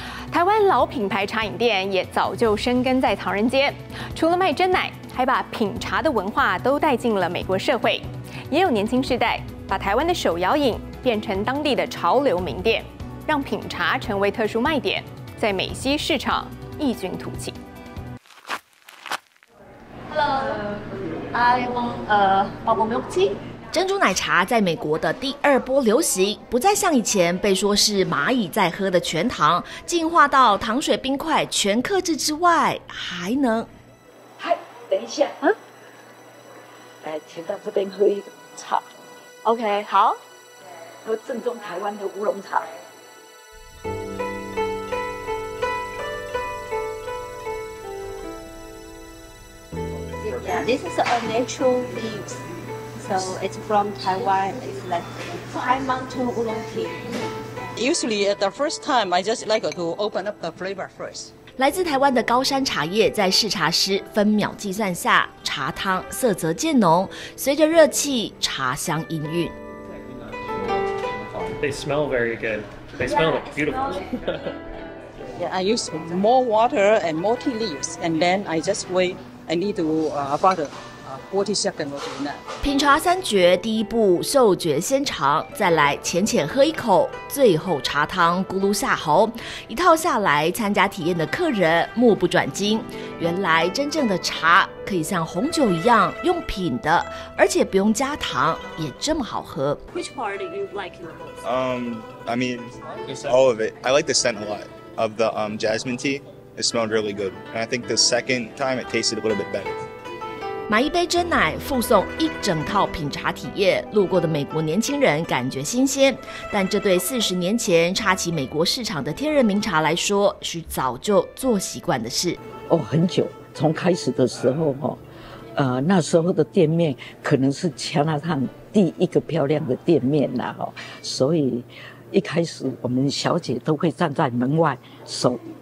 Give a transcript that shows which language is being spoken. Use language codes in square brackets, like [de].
[zh] 台湾老品牌茶饮店也早就深耕在唐人街，除了卖真奶，还把品茶的文化都带进了美国社会，也有年轻世代把台湾的手摇饮变成当地的潮流名店，让品茶成为特殊卖点，在美西市场异军突起。 [en] Hello, I want a bubble milk tea. [zh] 珍珠奶茶在美国的第二波流行，不再像以前被说是蚂蚁在喝的全糖，进化到糖水冰块全克制之外，还能…… 嗨，等一下，来，请到这边喝一个茶。 OK， 好，喝正宗台湾的乌龙茶。 [en] Yeah, this is a natural leaves, so it's from Taiwan. It's like high mountain oolong tea. Usually, the first time, I just like to open up the flavor first. [zh] 来自台湾的高山茶叶在试茶师分秒计算下，茶汤色泽渐浓，随着热气茶香氤氲。 [en] They smell very good. They smell beautiful. Yeah, I use more water and more tea leaves, and then I just wait. I need to about 40 seconds or so. [zh] 品茶三绝，第一步嗅觉先尝，再来浅浅喝一口。最后茶汤咕噜下喉，一套下来，参加体验的客人目不转睛。原来真正的茶可以像红酒一样用品的，而且不用加糖，也这么好喝。 [en] Which part do you like the most? I mean, all of it. I like the scent a lot of the jasmine tea. It smelled really good, and I think the second time it tasted a little bit better. [zh] 买一杯真奶，附送一整套品茶体验。路过的美国年轻人感觉新鲜，但这对40年前插起美国市场的天人名茶来说，是早就做习惯的事。哦，很久，从开始的时候那时候的店面可能是加拿大第一个漂亮的店面啦，所以一开始我们小姐都会站在门外守。